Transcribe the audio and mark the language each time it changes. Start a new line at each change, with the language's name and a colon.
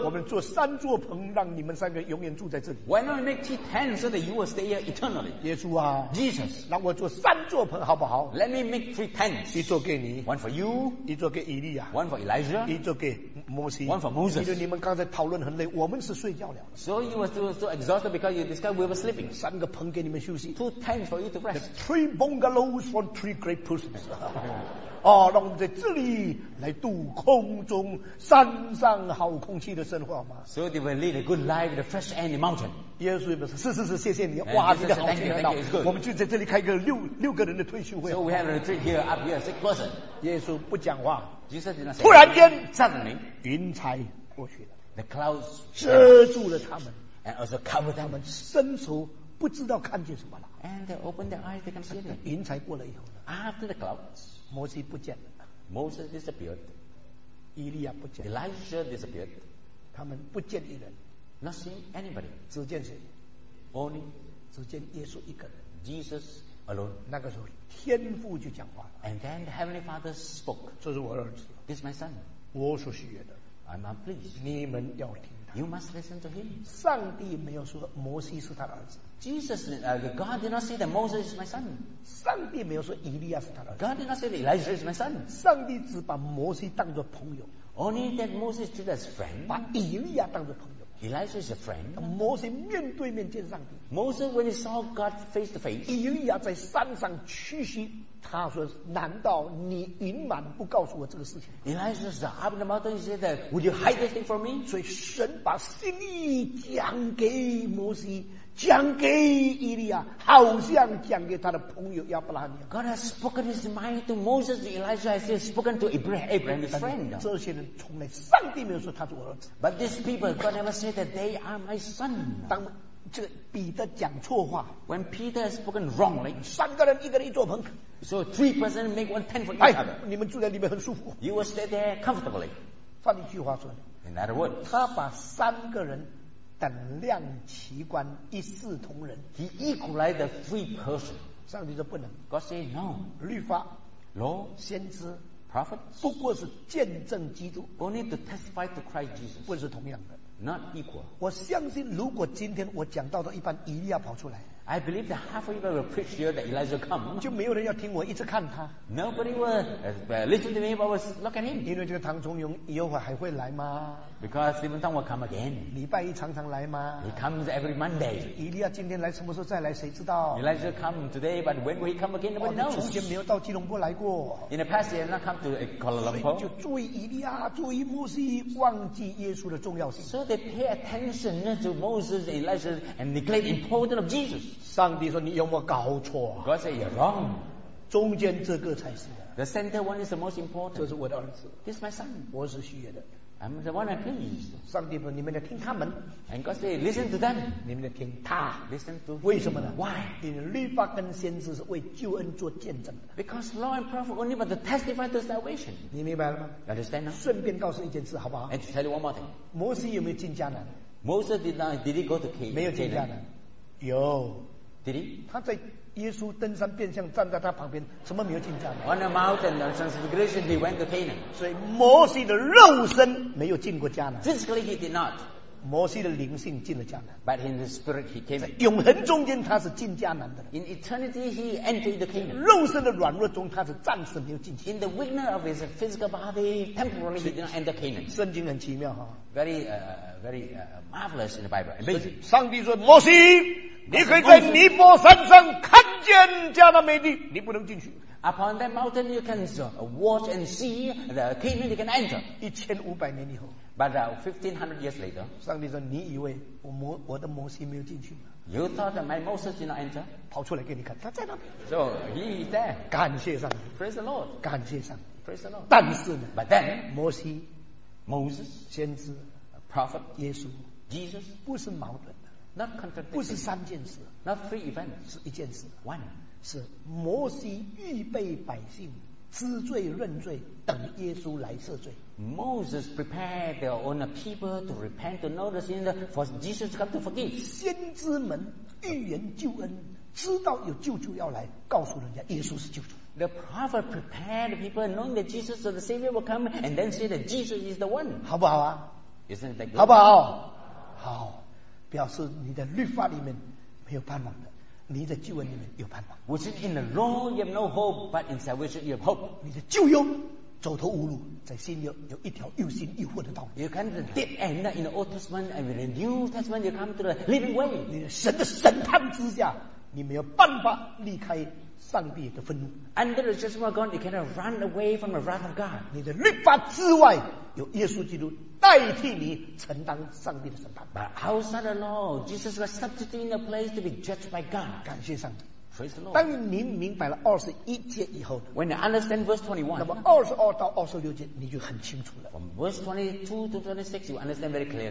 Chinese: 我们做三座棚，让你们三个永远住在这里。
English: Why not make two tents so that you will stay here eternally?
Chinese: 耶稣啊
English: ，Jesus，
Chinese: 让我做三座棚好不好
English: ？Let me make three tents.
Chinese: 一座给你
English: ，one for you.
Chinese: 一座给以利亚
English: ，one for Elijah.
Chinese: 一座给摩西
English: ，one for Moses.
Chinese: 因为你们刚才讨论很累，我们是睡觉了。
English: So you were so exhausted because you discovered we were sleeping.
Chinese: 三个棚给你们休息。
English: Two tents for you to rest. Three bungalows for three great persons.
Chinese: 啊，让我们在这里来度空中山上好空气的生活好吗
English: ？So they will lead a good life in the fresh air in the mountain.
Chinese: 耶稣说：“是是是，谢谢你，哇，你的好听很好。我们就在这里开个六个人的退休会。
English: ”So we have a retreat here up here, six person.
Chinese: 耶稣不讲话
English: ，Jesus did not say.
Chinese: 突然间
English: ，suddenly，
Chinese: 云彩过去了
English: ，the clouds
Chinese: 遮住了他们
English: ，and also covered them.
Chinese: 他们伸手不知道看见什么了
English: ，and they open their eyes, they can see it.
Chinese: 云彩过了以后
English: ，after the clouds.
Chinese: 摩西不见了
English: Moses disappeared
Chinese: 以利亚不见
English: 了 Elijah disappeared
Chinese: 他们不见一人
English: Not seeing anybody
Chinese: 只见谁
English: Only
Chinese: 只见耶稣一个人
English: Jesus alone
Chinese: 那个时候天父就讲话了
English: And then the Heavenly Father spoke
Chinese: 这是我儿子
English: This is my son
Chinese: 我所喜悦的
English: I'm not pleased
Chinese: 你们要听他
English: You must listen to him
Chinese: 上帝没有说摩西是他的儿子
English: Jesus, God did not say that Moses is my son.
Chinese: 上帝没有说以利亚是他的。
English: God did not say that Elijah is my son.
Chinese: 上帝只把摩西当作朋友。
English: Only that Moses did as friend.
Chinese: 把以利亚当作朋友。
English: Elijah is a friend.
Chinese: 摩西面对面见上帝。
English: Moses when he saw God face to face.
Chinese: 以利亚在山上屈膝，他说：“难道你隐瞒不告诉我这个事情
English: ？”Elijah is up in the mountain. He said, "Would you hide this thing from me?"
Chinese: 所以神把心意讲给摩西。讲给以利亚，好像讲给他的朋友亚伯拉罕。
English: God has spoken his mind to Moses, Elijah has spoken to Abraham, his friend.
Chinese: 这些人从来上帝没有说他是我儿子。
English: But these people, God never said that they are my son.
Chinese: 当这彼得讲错话
English: ，When Peter has spoken wrongly,
Chinese: 三个人一个人一座棚
English: ，So three person make one tent for each other.
Chinese: 你们住在里面很舒服。
English: You will stay there comfortably.
Chinese: 换一句话说
English: ，In other words,
Chinese: 他把三个人。等量齐观，一视同仁。
English: He equalized the three persons.
Chinese: 上帝说不能。
English: God said no.
Chinese: 律法、
English: law、
Chinese: 先知、
English: prophet，
Chinese: 不过是见证基督。
English: Only to testify to Christ Jesus.
Chinese: 不是同样的。
English: Not equal.
Chinese: 我相信，如果今天我讲到的一般，以利亚跑出来。
English: I believe that half of you will preach here that Elijah come.
Chinese: 就没有人要听我，一直看他。
English: Nobody will listen to me, but will look at him.
Chinese: 因为这个唐崇荣以后还会来吗
English: ？Because Stephen Tong will come again.
Chinese: 礼拜一常常来吗
English: ？He comes every Monday.
Chinese: 以利亚今天来，什么时候再来，谁知道
English: ？Elijah come today, but when will he come again? Nobody knows.
Chinese: 从前没有到吉隆坡来过。
English: In the past, he has not come to Kuala Lumpur.
Chinese: 就注意以利亚，注意摩西，忘记耶稣的重要性。
English: So they pay attention to Moses, Elijah, and neglect the importance of Jesus.
Chinese: 上帝说：“你有没有搞错、啊、
English: ？”God said, "You're wrong."
Chinese: 中间这个才是。
English: The center one is the most important.
Chinese: 这是我的儿子。
English: This is my son.
Chinese: 我是喜悦的。
English: I'm the one I please.
Chinese: 上帝说你们要听他们。
English: And God say, listen to them.
Chinese: 你们要听他。
English: Listen to.
Chinese: 为什么呢
English: ？Why?
Chinese: 因为律法跟先知是为救恩做见证的。
English: Because law and prophet only but to testify to salvation.
Chinese: 你明白了吗
English: ？You understand now?
Chinese: 顺便告诉一件事好不好
English: ？And to tell you one more thing.
Chinese: 摩西有没有进迦南
English: ？Moses did not. Did he go to Canaan?
Chinese: 没有进迦南。有。
English: Did he?
Chinese: 他在耶稣登山变相站在他旁边，什么没有进迦南
English: ？On the mountain of transfiguration, he went to Canaan.
Chinese: 所以摩西的肉身没有进过迦南。
English: Physically, he did not.
Chinese: 摩西的灵性进了迦南。
English: But in the spirit, he came.
Chinese: 在永恒中间，他是进迦南的。
English: In eternity, he entered the Canaan.
Chinese: 肉身的软弱中，他是暂时没有进去。
English: In the weakness of his physical body, temporarily, he did not enter Canaan.
Chinese: 圣经很奇妙哈。
English: Very marvelous in the Bible. Amazing.
Chinese: 上帝说，摩西。你可以在尼泊山上看见迦南美地，你不能进去。
English: Upon that mountain you can watch and see the Canaan you can enter.
Chinese: 1500年以后。
English: But 1500 years later.
Chinese: 上帝说：“你以为我的摩西没有进去吗
English: ？”You thought that my Moses did not enter?
Chinese: 跑出来给你看，他在那边。
English: So he is there.
Chinese: 感谢上帝。
English: Praise the Lord.
Chinese: 感谢上帝。
English: Praise the Lord.
Chinese: 但是呢
English: ，But then
Chinese: 摩西
English: ，Moses
Chinese: 先知
English: ，Prophet
Chinese: 耶稣
English: ，Jesus
Chinese: 不是矛盾。
English: Not contradicting.
Chinese: 不是三件事
English: ，Not three events.
Chinese: 是一件事
English: ，One
Chinese: 是摩西预备百姓知罪认罪，等耶稣来赦罪。
English: Moses prepared their own people to repent, to know the sin, for Jesus to come to forgive.
Chinese: 先知们预言救恩，知道有救主要来，告诉人家耶稣是救主。
English: The prophet prepared people, knowing that Jesus or the Savior will come, and then say that Jesus is the one.
Chinese: 好不好啊
English: ？Isn't that good?
Chinese: 好不好？好。表示你的律法里面没有盼望的，你的救恩里面有盼望。
English: Which is in the law you have no hope, but in salvation you have hope.
Chinese: 你的旧约走投无路，在新约有一条又新又活的道路。
English: You come to the dead end in the Old Testament, and in the New Testament you come to the living way.
Chinese: 你的神的审判之下，你没有办法离开上帝的愤怒。
English: Under the judgment of God, you cannot run away from the wrath of God.
Chinese: 你的律法之外有耶稣基督。代替你承担上帝的审判。
English: But outside the law, Jesus was substituting the place to be judged by God.
Chinese: 感谢上帝。
English: Praise the Lord.
Chinese: 当你明白了21节以后
English: ，When you understand verse 21,
Chinese: 那么22到26节你就很清楚了。
English: From verse 22 to 26, you understand very clearly.